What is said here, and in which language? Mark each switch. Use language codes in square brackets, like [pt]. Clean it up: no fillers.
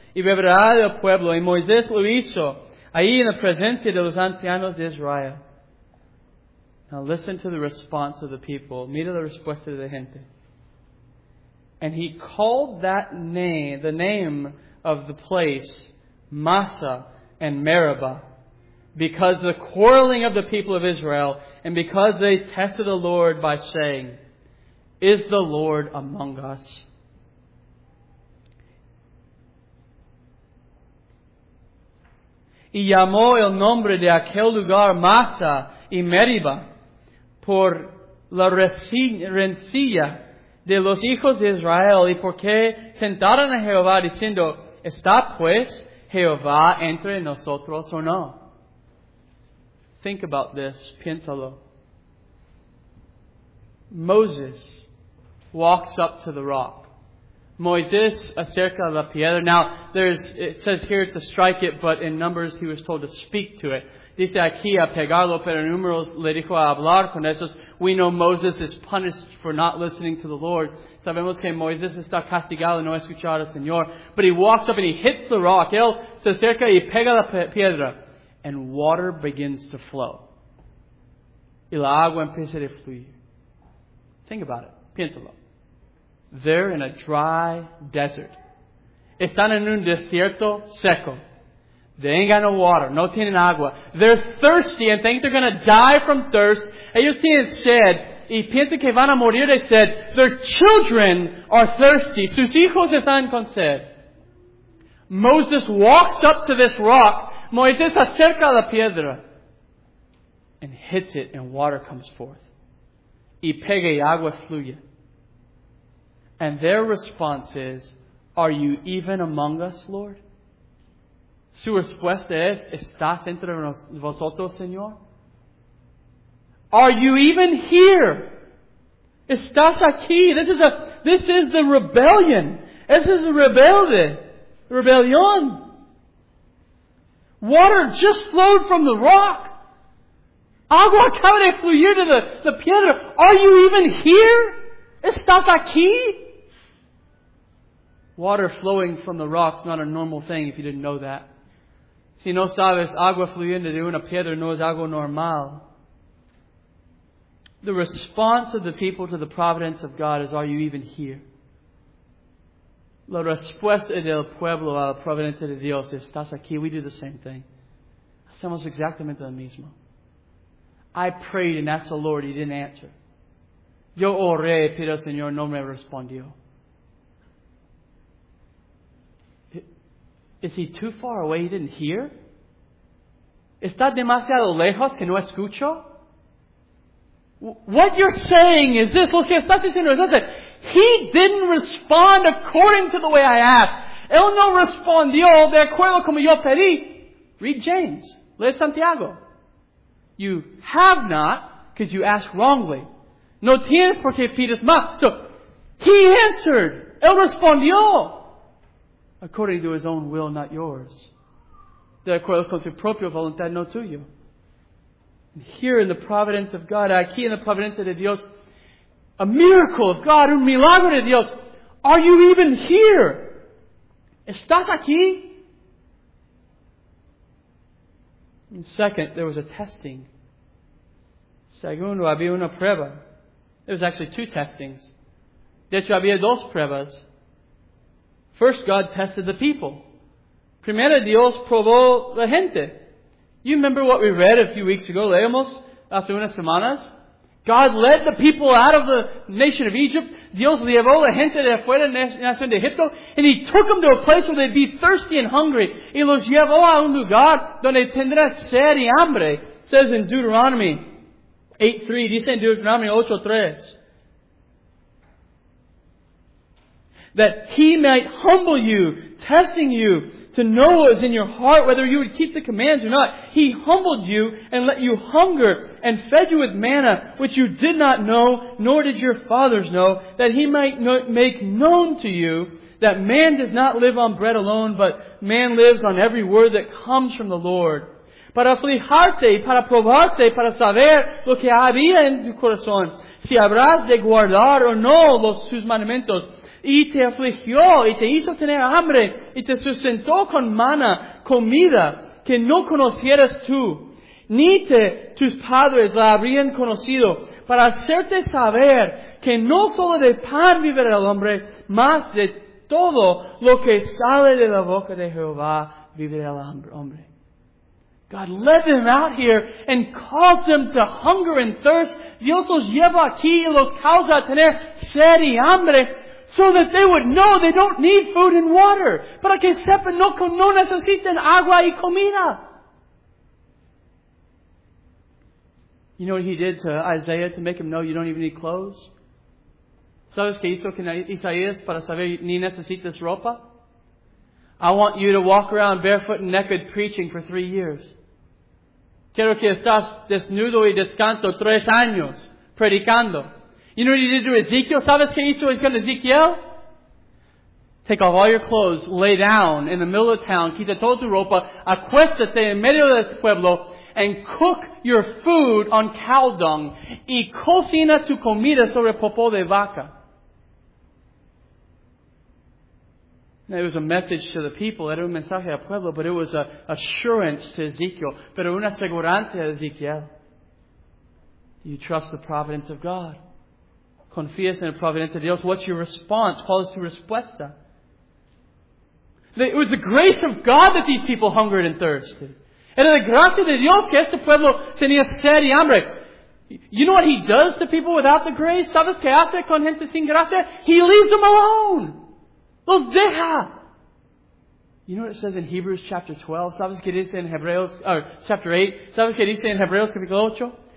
[es] Y beberá del pueblo." Y Moisés lo hizo ahí en la presencia de los ancianos de Israel. [en] Now listen to the response of the people. [es] Mira la respuesta de la gente. [en] And he called that name, the name of the place, Massa and Meribah, because the quarreling of the people of Israel, and because they tested the Lord by saying, "Is the Lord among us?" [es] Y llamó el nombre de aquel lugar Massa y Meribah por la rencilla de los hijos de Israel y porque tentaron a Jehová diciendo, ¿está pues Jehová entre nosotros o no? [en] Think about this, [es] piénsalo. [en] Moses walks up to the rock. [es] Moisés acerca la piedra. [en] Now, it says here to strike it, but in Numbers he was told to speak to it. [es] Dice aquí a pegarlo, pero en Números le dijo a hablar con esos. [en] We know Moses is punished for not listening to the Lord. [es] Sabemos que Moisés está castigado no escuchar al Señor. [en] But he walks up and he hits the rock. [es] Él se acerca y pega la piedra. [en] And water begins to flow. [es] Y la agua empieza a fluir. [en] Think about it. [es] Piénsalo. [en] They're in a dry desert. [es] Están en un desierto seco. [en] They ain't got no water. [es] No tienen agua. [en] They're thirsty and think they're going to die from thirst. [es] Ellos tienen sed. Y piensan que van a morir de sed. [en] Their children are thirsty. [es] Sus hijos están con sed. [en] Moses walks up to this rock. [es] Moisés acerca la piedra. [en] And hits it and water comes forth. [es] Y pega y agua fluye. [en] And their response is, "Are you even among us, Lord?" [es] Su respuesta es, ¿estás entre vosotros, Señor? [en] Are you even here? ¿Estás aquí? This is the rebellion. This is the rebellion. Water just flowed from the rock. [es] Agua acaba de fluir de la piedra. [en] Are you even here? [es] ¿Estás aquí? [en] Water flowing from the rock is not a normal thing if you didn't know that. [es] Si no sabes, agua fluyendo de una piedra no es algo normal. [en] The response of the people to the providence of God is, are you even here? [es] La respuesta del pueblo a la providencia de Dios es, estás aquí. [en] We do the same thing. [es] Hacemos exactamente lo mismo. [en] I prayed and asked the Lord, He didn't answer. [es] Yo oré, pido al Señor, no me respondió. [en] Is He too far away? He didn't hear? [es] ¿Está demasiado lejos que no escucho? [en] What you're saying is this. [es] Lo que estás diciendo es esto. [en] He didn't respond according to the way I asked. [es] Él no respondió de acuerdo como yo pedí. [en] Read James. [es] Lee Santiago. [en] You have not because you ask wrongly. [es] No tienes porque pides mal. [en] So, He answered. [es] Él respondió. [en] According to His own will, not yours. [es] De acuerdo con su propia voluntad, no tuyo. [en] And here in the providence of God, [es] aquí en la providencia de Dios, [en] a miracle of God, [es] un milagro de Dios. [en] Are you even here? ¿Estás aquí? And second, there was a testing. [es] Segundo, había una prueba. [en] There was actually two testings. [es] De hecho, había dos pruebas. [en] First, God tested the people. [es] Primero, Dios probó la gente. [en] You remember what we read a few weeks ago? [es] Leemos hace unas semanas. [en] God led the people out of the nation of Egypt. [es] Dios llevó la gente de afuera de la nación de Egipto. [en] And He took them to a place where they'd be thirsty and hungry. [es] Y los llevó a un lugar donde tendrán sed y hambre. [en] Says in Deuteronomy 8:3. [es] Dice en [en] Deuteronomy 8:3. That He might humble you, testing you to know what was in your heart, whether you would keep the commands or not. He humbled you and let you hunger and fed you with manna, which you did not know, nor did your fathers know, that He might make known to you that man does not live on bread alone, but man lives on every word that comes from the Lord. [es] Para aflijarte, para probarte, para saber lo que había en tu corazón, si habrás de guardar o no sus mandamientos. Y te afligió, y te hizo tener hambre, y te sustentó con maná, comida, que no conocieras tú, ni tus padres la habrían conocido, para hacerte saber que no solo de pan vivirá el hombre, mas de todo lo que sale de la boca de Jehová vivirá el hombre. [en] God led them out here and caused them to hunger and thirst. [es] Dios los lleva aquí y los causa a tener sed y hambre, [en] so that they would know they don't need food and water. [es] Para que sepan, no necesitan agua y comida. [en] You know what He did to Isaiah to make him know you don't even need clothes? [es] ¿Sabes qué hizo con Isaías para saber ni necesitas ropa? [en] I want you to walk around barefoot and naked preaching for 3 years. [es] Quiero que estás desnudo y descanso 3 años predicando. [en] You know what He did to Ezekiel? [es] ¿Sabes qué hizo con Ezekiel? [en] Take off all your clothes, lay down in the middle of the town, [es] quita toda tu ropa, acuéstate en medio de este pueblo, [en] and cook your food on cow dung, [es] y cocina tu comida sobre popó de vaca. [en] Now, it was a message to the people, [es] era un mensaje al pueblo, [en] but it was an assurance to Ezekiel, [es] pero una seguranza a Ezekiel. [en] Do you trust the providence of God? [es] Confías en la providencia de Dios? [en] What's your response? [es] ¿Cuál es tu respuesta? [en] It was the grace of God that these people hungered and thirsted. [es] Era la gracia de Dios que este pueblo tenía sed y hambre. [en] You know what He does to people without the grace? [es] ¿Sabes qué hace con gente sin gracia? [en] He leaves them alone. [es] Los deja. [en] You know what it says in Hebrews chapter 12? [es] ¿Sabes qué dice en Hebreos, [en] or chapter 8? [es] ¿Sabes qué dice en Hebreos capítulo 8?